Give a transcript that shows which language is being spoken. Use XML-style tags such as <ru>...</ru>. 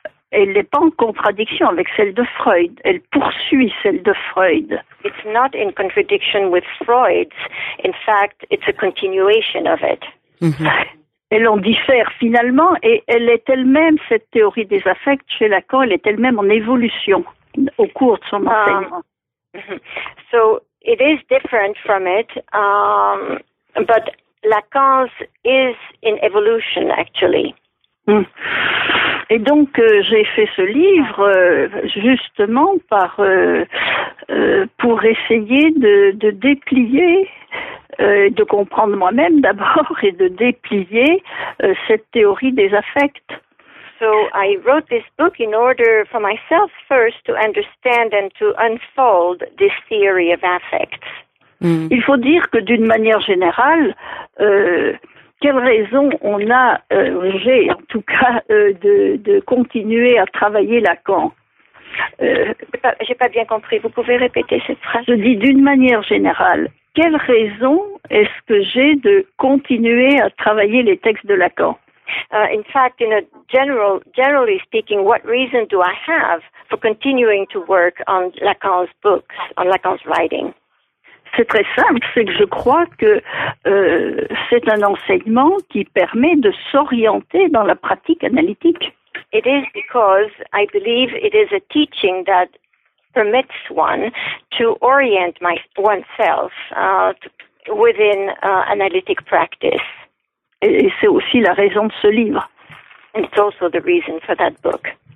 <fr>Elle n'est pas en contradiction avec celle de Freud. Elle poursuit celle de Freud.</fr> <en>It's not in contradiction with Freud's. In fact, it's a continuation of it. Mm-hmm.</en> <fr>Elle en diffère finalement, et elle est elle-même, cette théorie des affects chez Lacan, elle est elle-même en évolution au cours de son enseignement.</fr> <en>So, it is different from it, but Lacan's is in evolution, actually. Mm.</en> <fr>Et donc, j'ai fait ce livre justement pour essayer de déplier, de comprendre moi-même d'abord et de déplier cette théorie des affects.</fr> <en>So I wrote this book in order for myself first to understand and to unfold this theory of affects. Mm.</en> <fr>Il faut dire que d'une manière générale, quelle raison on a, j'ai en tout cas, de continuer à travailler Lacan? J'ai pas bien compris. Vous pouvez répéter cette phrase? Je dis d'une manière générale, quelle raison est-ce que j'ai de continuer à travailler les textes de Lacan?</fr> <en>In fact, in a generally speaking, what reason do I have for continuing to work on Lacan's books, on Lacan's writing?</en> <fr>C'est très simple, c'est que je crois que c'est un enseignement qui permet de s'orienter dans la pratique analytique.</fr> <en>It is because I believe it is a teaching that permits one to orient oneself within analytic practice.</en> <fr>Et c'est aussi la raison de ce livre.</fr> <en>And it's also the reason for that book.</en>